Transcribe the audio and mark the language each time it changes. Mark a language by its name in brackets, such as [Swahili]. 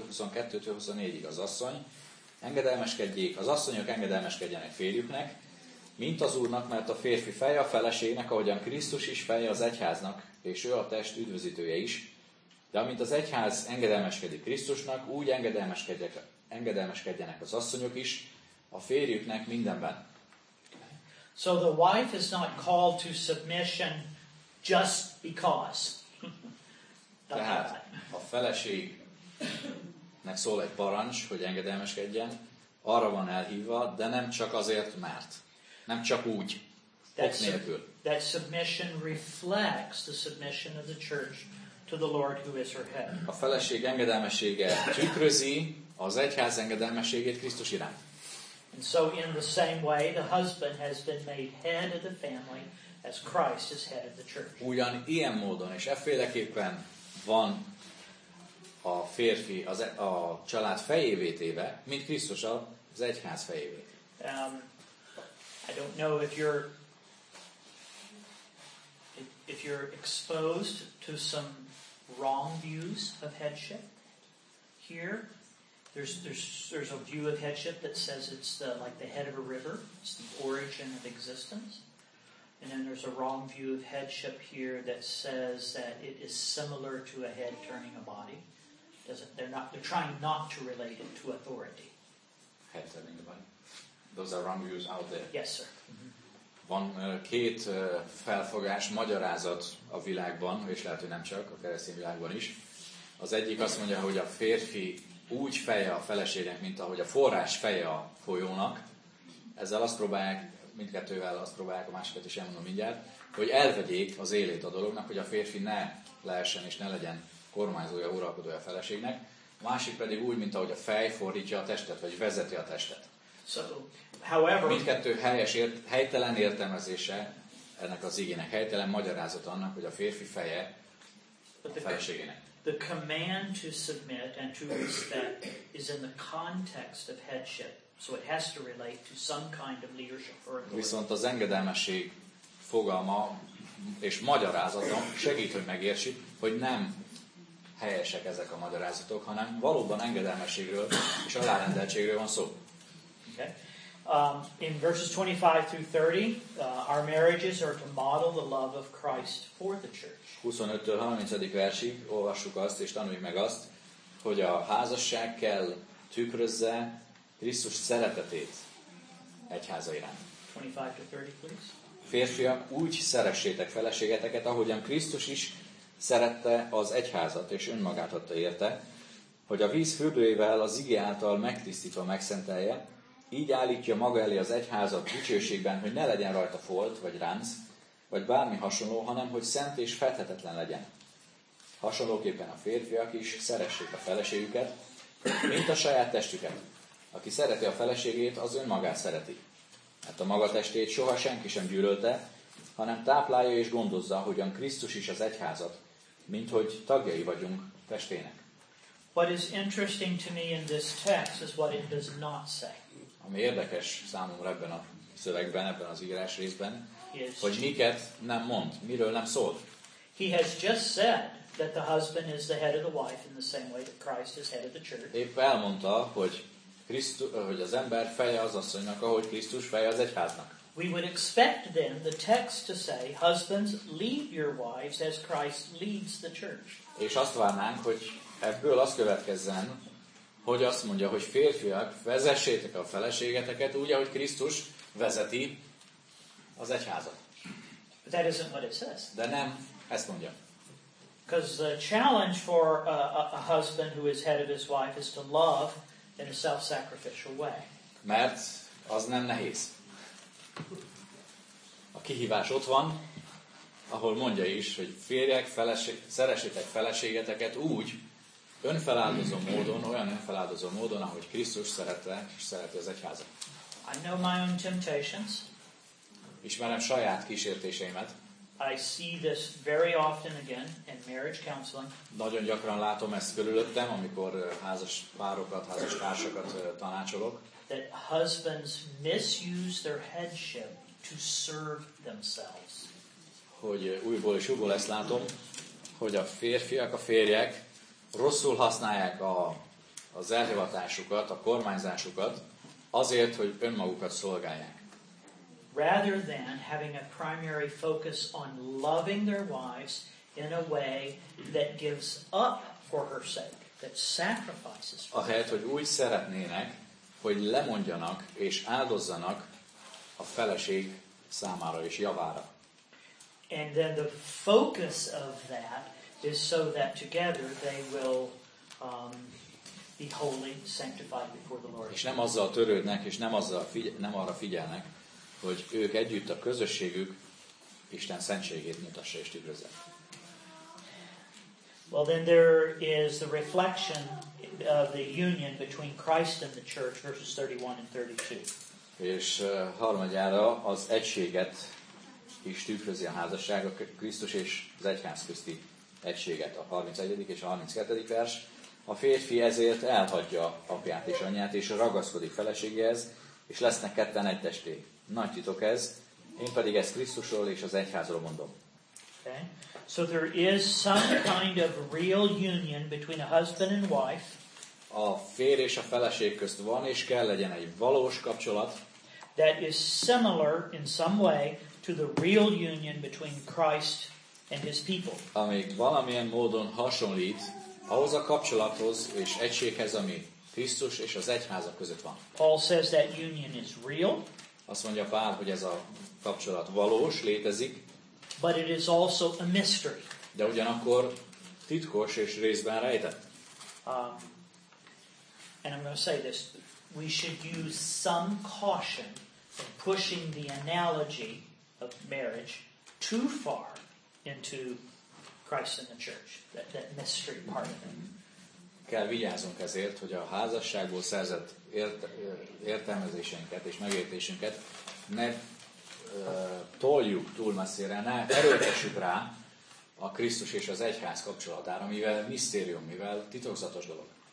[Hungarian] 22-24-ig az asszony engedelmeskedjék, az asszonyok engedelmeskedjenek férjüknek, mint az Úrnak, mert a férfi feje a feleségnek, ahogyan Krisztus is feje az egyháznak, és ő a test üdvözítője is. De amint az egyház engedelmeskedik Krisztusnak, úgy engedelmeskedjenek az asszonyok is a férjüknek mindenben. [English] So the wife is not called to submission just because. [Hungarian] Tehát a feleségnek szól egy parancs, hogy engedelmeskedjen, arra van elhívva, de nem csak azért, mert. Nem csak úgy, ok nélkül. [English] That submission reflects the submission of the church to the Lord who is her head. [Hungarian] A feleség engedelmessége tükrözi az egyház engedelmességét Krisztus iránt. [English] And so in the same way, the husband has been made head of the family as Christ is head of the church. [Hungarian] Ugyan ilyen módon és efféleképpen van a férfi a család fejévé téve, mint Krisztus az egyház fejévé. [English] I don't know if you're exposed to some wrong views of headship here. There's a view of headship that says it's the like the head of a river, it's the origin of existence. And then there's a wrong view of headship here that says that it is similar to a head turning a body. They're trying not to relate it to authority. Head turning the body. Those are wrong views out there. Yes, sir. [Hungarian] Van két felfogás, magyarázat a világban, és lehet, hogy nem csak, a keresztény világban is. Az egyik azt mondja, hogy a férfi úgy feje a feleségnek, mint ahogy a forrás feje a folyónak. Ezzel azt próbálják, mindkettővel azt próbálják, a másikat is elmondom mindjárt, hogy elvegyék az élét a dolognak, hogy a férfi ne lehessen és ne legyen kormányzója, uralkodója a feleségnek. A másik pedig úgy, mint ahogy a fej fordítja a testet, vagy vezeti a testet. [English] So, however, [Hungarian] mindkettő helytelen értelmezése ennek az igének, helytelen magyarázat annak, hogy a férfi feje a feleségének. [English] The command to submit and to respect is in the context of headship, so it has to relate to some kind of leadership or authority. [Hungarian] Viszont az engedelmesség fogalma és magyarázata segít, hogy megértsük, hogy nem helyesek ezek a magyarázatok, hanem valóban engedelmességről és alárendeltségről van szó. [English] Okay. In verses 25-30, our marriages are to model the love of Christ for the church. [Hungarian] 25-től 30. versig olvassuk azt és tanuljuk meg azt, hogy a házasság kell tükrözze Krisztus szeretetét egyháza iránt. [English] 25-30, please. [Hungarian] Férfiak, úgy szeressétek feleségeteket, ahogyan Krisztus is szerette az egyházat és önmagát adta érte, hogy a víz fürdőjével az ige által megtisztítva megszentelje. Így állítja maga elé az egyházat dicsőségben, hogy ne legyen rajta folt, vagy ránc, vagy bármi hasonló, hanem hogy szent és fedhetetlen legyen. Hasonlóképpen a férfiak is szeressék a feleségüket, mint a saját testüket. Aki szereti a feleségét, az önmagát szereti. Mert a maga testét soha senki sem gyűlölte, hanem táplálja és gondozza, hogyan Krisztus is az egyházat, mint hogy tagjai vagyunk testének. [English] What is interesting to me in this text is what it does not say. [Hungarian] Ami érdekes számomra ebben a szövegben, ebben az írás részben, hogy miket nem mond, miről nem szól. [English] He has just said that the husband is the head of the wife in the same way that Christ is head of the church. [Hungarian] Épp elmondta, hogy hogy az ember feje az asszonynak, ahogy Krisztus feje az egyháznak. [English] We would expect then the text to say, husbands, lead your wives as Christ leads the church. [Hungarian] És azt várnánk, hogy ebből az következzen, hogy azt mondja, hogy férfiak, vezessétek a feleségeteket úgy, ahogy Krisztus vezeti az egyházat. [English] That isn't what it says. [Hungarian] De nem ezt mondja. [English] Because the challenge for a husband who is head of his wife is to love in a self-sacrificial way. [Hungarian] Mert az nem nehéz. A kihívás ott van, ahol mondja is, hogy férjek, szeressétek feleségeteket úgy, önfeláldozó módon, olyan önfeláldozó módon, ahogy Krisztus szerette és szereti az egyházat. [English] I know my own temptations. [Hungarian] Ismerem saját kísértéseimet. [English] I see this very often again in marriage counseling. [Hungarian] Nagyon gyakran látom ezt körülöttem, amikor házas párokat, házas társakat tanácsolok. [English] That husbands misuse their headship to serve themselves. [Hungarian] Hogy újból és újból ezt látom, hogy a férfiak, a férjek rosszul használják az elhivatásukat, a kormányzásukat azért, hogy önmagukat szolgálják. [English] Rather than having a primary focus on loving their wives in a way that gives up for her sake, that sacrifices for her. [Hungarian] Ahelyett, hogy úgy szeretnének, hogy lemondjanak és áldozzanak a feleség számára és javára. [English] And then the focus of that is so that together they will be holy, sanctified before the Lord. [Hungarian] És nem azzal törődnek, és nem arra figyelnek, hogy ők együtt a közösségük Isten szentségét mutassa és tükrözze. [English] Well, then there is the reflection of the union between Christ and the church, verses 31 and 32. [Hungarian] És harmadjára az egységet is tükrözi a házasság, a Krisztus és az egyház közti egységet, a 31. és a 32. vers. A férfi ezért elhagyja apját és anyját, és ragaszkodik feleségéhez, és lesznek ketten egy testé. Nagy titok ez, én pedig ezt Krisztusról és az egyházról mondom. [English] Okay. So there is some kind of real union between a husband and wife. [Hungarian] A férj és a feleség közt van és kell legyen egy valós kapcsolat. [English] That is similar in some way to the real union between Christ and his people. [Hungarian] Ami valamilyen módon hasonlít ahhoz a kapcsolathoz és egységhez, ami Krisztus és az egyháza között van. [English] Paul says that union is real. [Hungarian] Azt mondja Pál, hogy ez a kapcsolat valós, létezik. [English] But it is also a mystery. [Hungarian] De ugyanakkor titkos és részben rejtett. [English] And I'm going to say this. We should use some caution in pushing the analogy of marriage too far into Christ and the church. That mystery part of it. [Hungarian] Kell vigyázunk ezért, hogy a házasságból szerzett értelmezéseinket és megértésünket ne toljuk túl messzire, ne erőltessük rá a Krisztus és az egyház kapcsolatára, mivel misztérium, mivel titokzatos dolog.